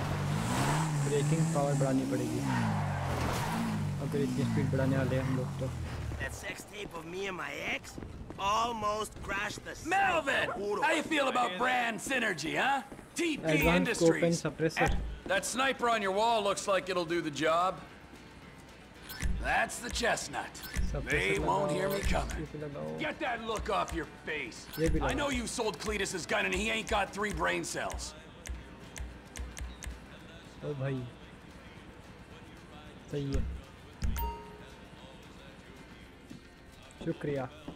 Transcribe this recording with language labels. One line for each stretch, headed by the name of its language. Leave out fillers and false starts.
Hindi: Power बढ़ानी पड़ेगी अगर इतनी स्पीड बढ़ाने वाले हम लोग तो।
English: That sex tape of me and my ex almost crashed the set. Melvin, how you feel about brand synergy, huh? TP Industries. That sniper on your wall looks like it'll do the job. That's the chestnut. They won't hear me coming. Get that look off your face. I know you sold Cletus's gun and he ain't got three brain cells.
Hindi: Oh, bhai. सही है, शुक्रिया।